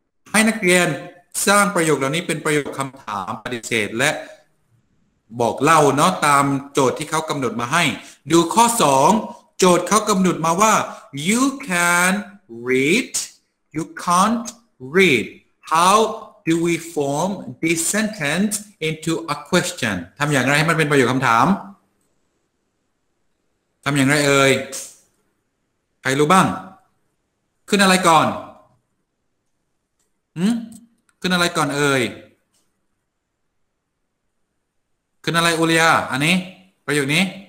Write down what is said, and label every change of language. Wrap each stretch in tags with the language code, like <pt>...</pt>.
<th>ให้นักเรียนสร้างประโยคเหล่านี้เป็นประโยคคำถามปฏิเสธและบอกเล่าเนาะตามโจทย์ที่เขากำหนดมาให้ดูข้อ2โจทย์เขากำหนดมาว่า</th> <en>You can read, you can't read. How do we form this sentence into a question?</en> <th>ทำอย่างไรให้มันเป็นประโยคคำถามทำอย่างไรเอ่ยใครรู้บ้างขึ้นอะไรก่อนขึ้นอะไรก่อนเอ่ยขึ้นอะไรอุลยาอันนี้ประโยคนี้</th>